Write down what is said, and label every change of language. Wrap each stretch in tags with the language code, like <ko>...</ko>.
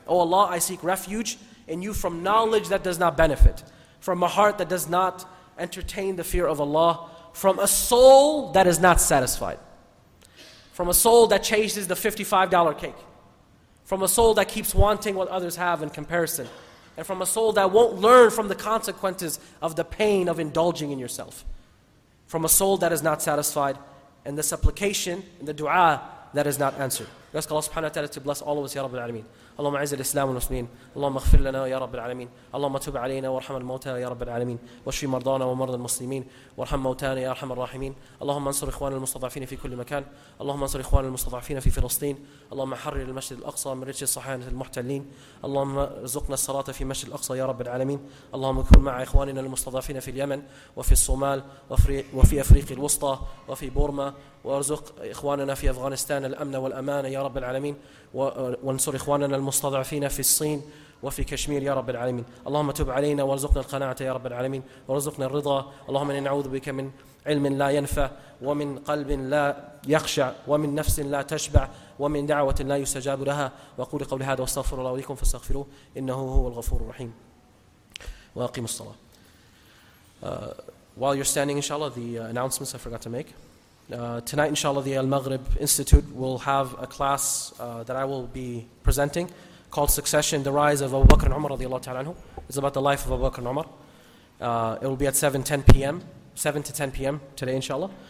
<en>Oh Allah, I seek refuge in you from knowledge that does not benefit, from a heart that does not entertain the fear of Allah, from a soul that is not satisfied, from a soul that chases the $55 cake, from a soul that keeps wanting what others have in comparison, and from a soul that won't learn from the consequences of the pain of indulging in yourself, from a soul that is not satisfied, and the supplication and the dua that is not answered. We ask Allah subhanahu wa ta'ala to bless all of us, Ya Rabbil Alameen.</en> <ar>اللهم اعز الاسلام والمسلمين اللهم اغفر لنا يا رب العالمين اللهم تب علينا وارحم الموتى يا رب العالمين واشف مرضانا ومرضى المسلمين وارحم موتانا يا ارحم الراحمين اللهم انصر اخواننا المستضعفين في كل مكان اللهم انصر اخواننا المستضعفين في فلسطين اللهم حرر المسجد الاقصى من رجس الصهاينه المحتلين اللهم ارزقنا الصلاه في المسجد الاقصى يا رب العالمين اللهم كن مع اخواننا المستضعفين في اليمن وفي الصومال وفي افريقيا الوسطى وفي بورما وارزق اخواننا في افغانستان الامن والامان يا رب العالمين وانصر اخواننا المستضعفين في الصين وفي كشمير يا رب العالمين اللهم تب علينا وارزقنا القناعه يا رب العالمين وارزقنا الرضا اللهم اني اعوذ بك من علم لا ينفع ومن قلب لا يخشع ومن نفس لا تشبع ومن دعوه لا يستجاب لها واقول قولي هذا واستغفر الله لكم فاستغفروه انه هو الغفور الرحيم واقيموا الصلاه.</ar> <en>While you're standing, inshallah, the announcements I forgot to make. Tonight, inshallah, the Al-Maghrib Institute will have a class that I will be presenting called Succession, the Rise of Abu Bakr and Umar, radiallahu ta'ala anhu. It's about the life of Abu Bakr and Umar. It will be at 7 to 10 p.m. today, inshallah.</en>